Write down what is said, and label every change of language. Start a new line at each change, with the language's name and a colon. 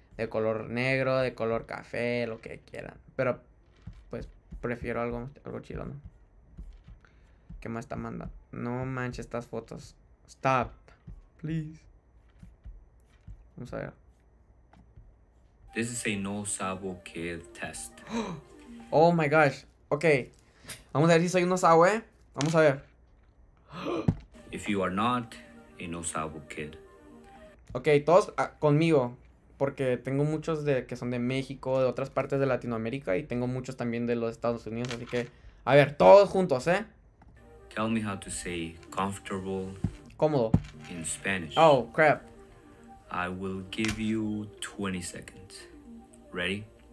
Spanish: de color negro, de color café, lo que quieran. Pero, pues, prefiero algo chilo, ¿no? ¿Qué más está mandando? No manches estas fotos.
English: Stop, please.
Spanish: Vamos a ver.
English: This is a no sabo kid test. Oh my gosh. Okay.
Spanish: Vamos a ver si soy un no sabo, ¿eh? Vamos a ver.
English: If you are not a no sabo kid.
Spanish: Okay, todos conmigo. Porque tengo muchos de que son de México, de otras partes de Latinoamérica. Y tengo muchos también de los Estados Unidos. Así que, a ver, todos juntos, ¿eh?
English: Tell me how to say comfortable.
Spanish: Cómodo.
English: In Spanish. Oh, crap. I will give you 20 seconds. Ready?